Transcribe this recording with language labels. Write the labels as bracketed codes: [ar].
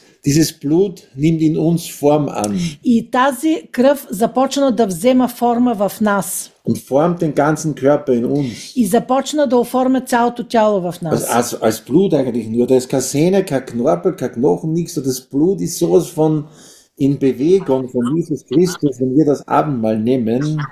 [de] Dieses Blut nimmt in uns Form an. [bg] И тази кръв започна да взема форма в нас. [de] Und formt den ganzen Körper in uns. [bg] И започна да оформя цялото тяло в нас. [de] Als Blut eigentlich nur, da ist keine Sehne, kein Knorpel, kein Knochen, nichts. Das Blut ist sowas von in Bewegung von Jesus Christus, wenn wir das Abendmahl nehmen.